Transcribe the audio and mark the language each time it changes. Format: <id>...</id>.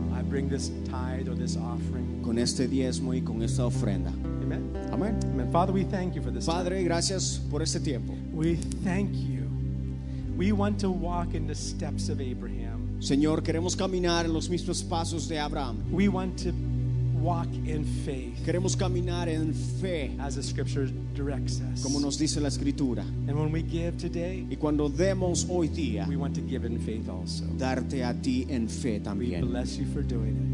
<en>I bring this tithe or this offering.</en> <es>Con este diezmo y con esta ofrenda. Amen. Amen. Amen.</es> <en>Father, we thank you for this.</en> <es>Padre, gracias por este tiempo.</es> <en>We thank you. We want to walk in the steps of Abraham.</en> <es>Señor, queremos caminar en los mismos pasos de Abraham.</es> <en>We want to walk in faith.</en> <es>Queremos caminar en fe.</es> <en>As the scripture directs us.</en> <es>Como nos dice la escritura.</es> <en>And when we give today,</en> <es>y cuando demos hoy día,</es> <en>we want to give in faith also.</en> <es>Darte a ti en fe también.</es> <en>We bless you for doing it.</en>